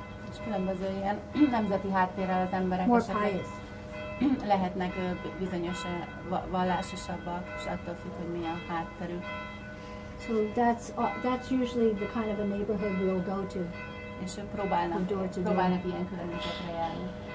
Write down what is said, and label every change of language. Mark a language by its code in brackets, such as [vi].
[hu] És különböző ilyen nemzeti háttérrel az emberek [en] more pious. [hu] Lehetnek bizonyos vallásosabbak, és attól függ, hogy milyen hátterük. [en] So that's usually the kind of a neighborhood we'll go to. [hu] És próbálnak ilyen környezetre járni.